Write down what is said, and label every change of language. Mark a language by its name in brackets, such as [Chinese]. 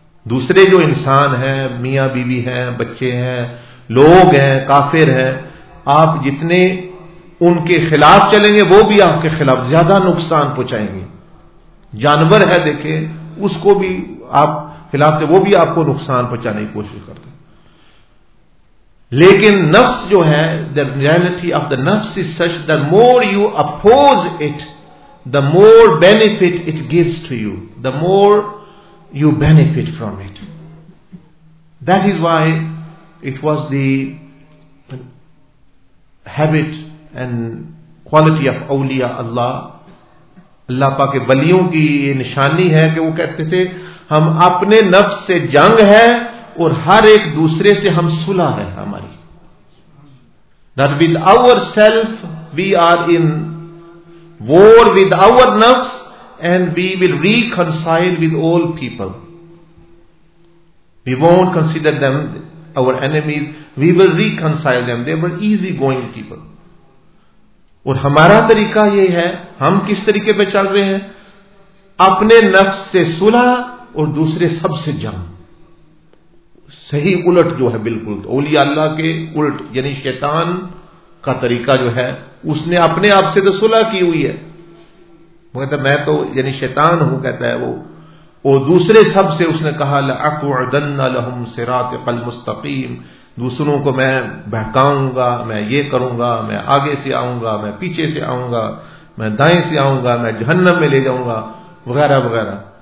[Urdu] دوسرے جو انسان ہیں, میاں بیوی ہیں, بچے ہیں, لوگ ہیں, کافر ہیں, آپ جتنے ان کے خلاف چلیں گے وہ بھی آپ کے خلاف زیادہ نقصان پہنچائیں گے. جانور ہے دیکھیں, اس کو بھی آپ خلاف سے وہ بھی آپ کو نقصان پہنچانے کی کوشش کرتے. لیکن نفس جو ہے, [English] the reality of the nafs is such, the more you oppose it, the more benefit it gives to you, the more you benefit from it. That is why it was the habit and quality of [Urdu] اولیاء اللہ, اللہ پاک کے ولیوں کی یہ نشانی ہے کہ وہ کہتے تھے ہم اپنے نفس سے جنگ ہے اور ہر ایک دوسرے سے ہم صلح ہے ہماری. [English] That with ourselves we are in war with our nafs and we will reconcile with all people. We won't consider them our enemies, we will reconcile them, they were easy going people. [Urdu] اور ہمارا طریقہ یہ ہے, ہم کس طریقے پہ چل رہے ہیں, اپنے نفس سے صلح اور دوسرے سب سے جنگ. صحیح الٹ جو ہے, بالکل اولیاء اللہ کے الٹ, یعنی شیطان کا طریقہ جو ہے, اس نے اپنے آپ سے تو صلح کی ہوئی ہے, وہ کہتا میں تو یعنی شیطان ہوں, کہتا ہے وہ, اور دوسرے سب سے اس نے کہا [Arabic] لَأَقْعُدَنَّ لَهُمْ صِرَاطَ الْمُسْتَقِيمِ, [Urdu] دوسروں کو میں بہکاؤں گا, میں یہ کروں گا, میں آگے سے آؤں گا, میں پیچھے سے آؤں گا, میں دائیں سے آؤں گا, میں جہنم میں لے جاؤں گا, وغیرہ وغیرہ.